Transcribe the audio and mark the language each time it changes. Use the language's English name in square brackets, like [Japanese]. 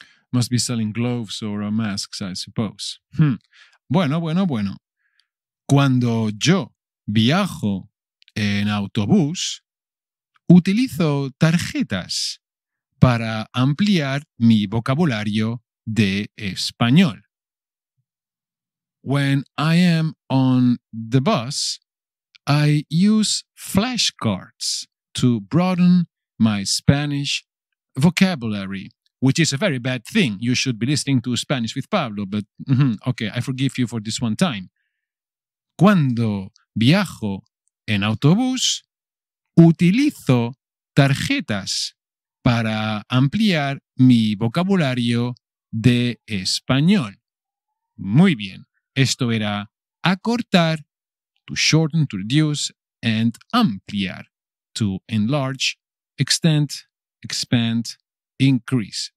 [English] Must be selling gloves or masks, I suppose. Bueno. [Spanish] Cuando yo viajo en autobús, utilizo tarjetas para ampliar mi vocabulario de español. [English] When I am on the bus, I use flashcards to broaden my Spanish vocabulary, which is a very bad thing. You should be listening to Spanish with Pablo, but okay, I forgive you for this one time. [Spanish] Cuando viajo en autobús, utilizo tarjetas para ampliar mi vocabulario de español. Muy bien, esto era acortar. [English] To shorten, to reduce, and ampliar, to enlarge, extend, expand, increase.